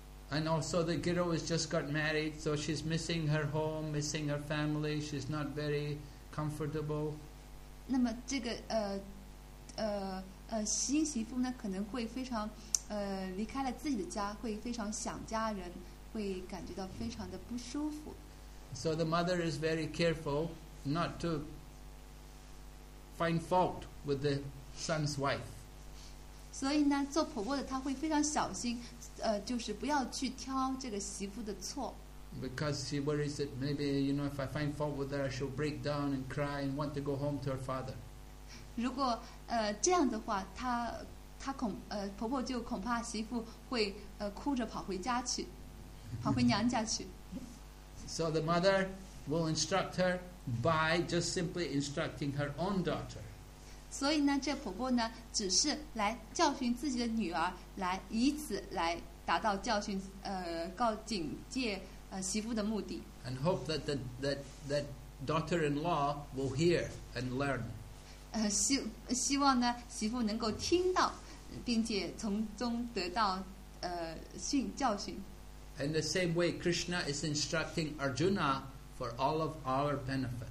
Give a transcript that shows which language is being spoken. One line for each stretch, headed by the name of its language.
English: And also the girl has just got married, so she's missing her home, missing her family, she's not very comfortable.
Chinese: 那么这个新媳妇呢可能会非常离开了自己的家，会非常想家人，会感觉到非常的不舒服。
English: So the mother is very careful not to find fault with the son's wife.
Chinese: 所以呢，做婆婆的她会非常小心，就是不要去挑这个媳妇的错。
English: Because she worries that maybe, you know, if I find fault with her, she'll break down and cry and want to go home to her father.
Chinese: 如果这样的话，她恐婆婆就恐怕媳妇会哭着跑回家去，跑回娘家去。
English: So the mother will instruct her by just simply instructing her own daughter.
Chinese: 所以呢，这婆婆呢，只是来教训自己的女儿，来以此来达到教训告警戒媳妇的目的。
English: And hope that that daughter-in-law will hear and learn.
Chinese: 希望呢，媳妇能够听到，并且从中得到教训。
English: In the same way, Krishna is instructing Arjuna for all of our benefit.